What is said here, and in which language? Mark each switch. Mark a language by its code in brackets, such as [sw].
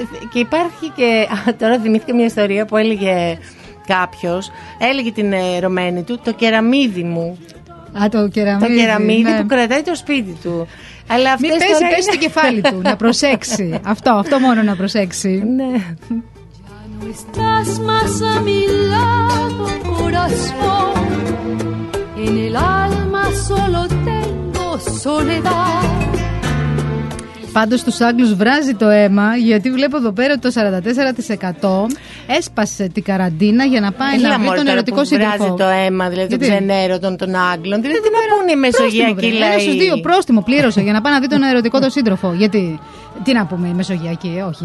[el] Και υπάρχει και, τώρα θυμήθηκα μια ιστορία που έλεγε κάποιος, έλεγε την ρωμένη του, το κεραμίδι μου. Α, το κεραμίδι. Το κεραμίδι, ναι, που κρατάει το σπίτι του. Αλλά μην πέσει, πέσει είναι... το κεφάλι του, να προσέξει. αυτό μόνο να προσέξει. Ναι. [es] Estás más a mi lado, corazón. En el alma solo tengo soledad. [el] Πάντως στους Άγγλους βράζει το αίμα, γιατί βλέπω εδώ πέρα ότι το 44% έσπασε την καραντίνα για να πάει να βρει τον ερωτικό σύντροφο. Βράζει το αίμα, δηλαδή, τον ξενέρωτον των Άγγλων. Δηλαδή, τι να πούνε οι Μεσογειακοί, λέει. Στους δύο, πρόστιμο πλήρωσε για να πάει να δει τον ερωτικό τον σύντροφο. Γιατί, τι να πούμε, οι Μεσογειακοί, όχι.